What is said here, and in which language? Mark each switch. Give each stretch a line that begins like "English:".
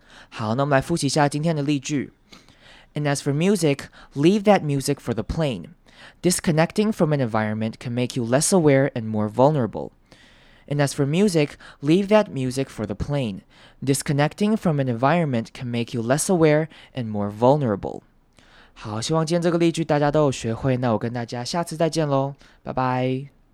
Chinese: 好，那我们来复习一下今天的例句。
English: And as for music, leave that music for the plane. Disconnecting from an environment can make you less aware and more vulnerable. And as for music, leave that music for the plane. Disconnecting from an environment can make you less aware and more vulnerable.
Chinese: 好，希望今天这个例句大家都有学会。那我跟大家下次再见咯，拜拜。